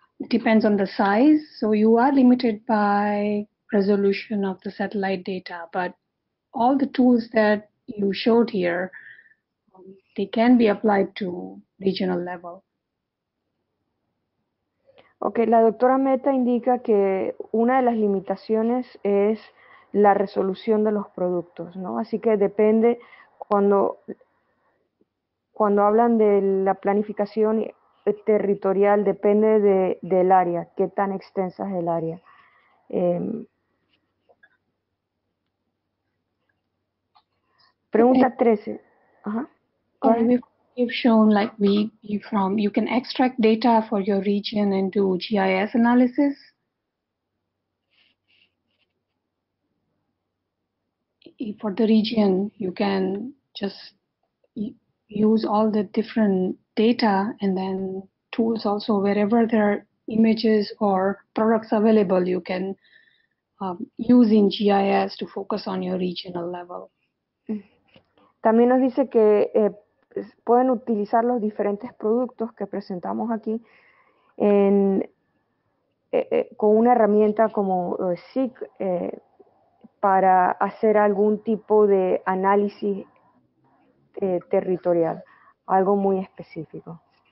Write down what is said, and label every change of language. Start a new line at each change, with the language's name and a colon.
English: Depends on the size. So you are limited by resolution of the satellite data, but all the tools that you showed here, they can be applied to regional level.
Spanish: Ok, la doctora Meta indica que una de las limitaciones es la resolución de los productos, ¿no? Así que depende, cuando hablan de la planificación territorial, depende del área, qué tan extensa es el área. Pregunta 13. Ajá.
English: You've shown like you can extract data for your region and do GIS analysis. For the region, you can just use all the different data and then tools also, wherever there are images or products available, you can use in GIS to focus on your regional level.
Spanish: También nos dice que pueden utilizar los diferentes productos que presentamos aquí con una herramienta como SIG para hacer algún tipo de análisis territorial, algo muy específico.